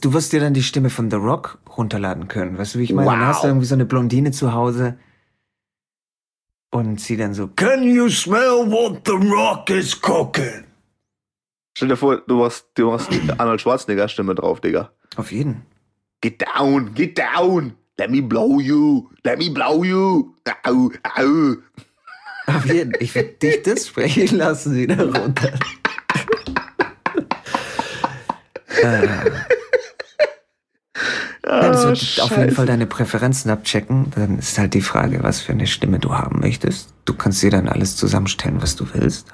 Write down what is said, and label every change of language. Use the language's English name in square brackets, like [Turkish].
[German] Du wirst dir dann die Stimme von The Rock runterladen können. Weißt du, wie ich meine? Wow. Dann hast du irgendwie so eine Blondine zu Hause und sie dann so, [English] can you smell what The Rock is cooking? [German] Stell dir vor, du hast die Arnold Schwarzenegger Stimme drauf, Digga. Auf jeden. [English] Get down, get down. Let me blow you. Let me blow you. Au, au. [German] Auf jeden Fall. Ich werde dich das sprechen lassen wieder runter. Dann wird auf jeden Fall deine Präferenzen abchecken. Dann ist halt die Frage, was für eine Stimme du haben möchtest. Du kannst dir dann alles zusammenstellen, was du willst.